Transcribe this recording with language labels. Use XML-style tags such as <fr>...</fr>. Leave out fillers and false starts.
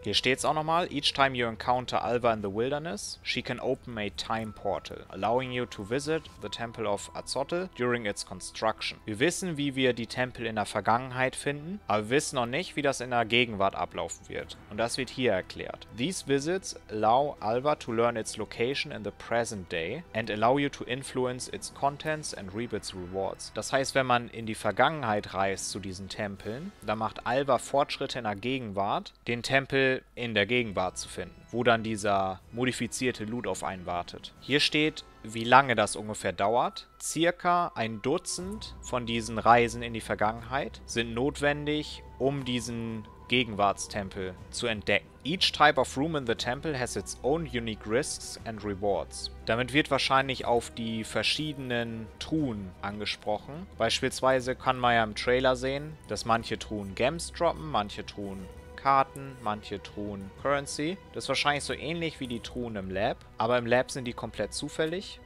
<de>Hier steht es auch nochmal,</de> <en>each time you encounter Alva in the wilderness, she can open a time portal, allowing you to visit the Temple of Azotl during its construction.</en> <de>Wir wissen, wie wir die Tempel in der Vergangenheit finden, aber wir wissen noch nicht, wie das in der Gegenwart ablaufen wird. Und das wird hier erklärt.</de> <en>These visits allow Alva to learn its location in the present day and allow you to influence its contents and reap its rewards.</en> <de>Das heißt, wenn man in die Vergangenheit reist zu diesen Tempeln, dann macht Alva Fortschritte in der Gegenwart, den Tempel in der Gegenwart zu finden, wo dann dieser modifizierte Loot auf einen wartet. Hier steht, wie lange das ungefähr dauert. Circa ein Dutzend von diesen Reisen in die Vergangenheit sind notwendig, um diesen Gegenwartstempel zu entdecken.</de> <en>Each type of room in the temple has its own unique risks and rewards.</en> <de>Damit wird wahrscheinlich auf die verschiedenen Truhen angesprochen. Beispielsweise kann man ja im Trailer sehen, dass manche Truhen Gems droppen, manche Truhen Karten, manche Truhen Currency. Das ist wahrscheinlich so ähnlich wie die Truhen im Lab, aber im Lab sind die komplett zufällig.</de>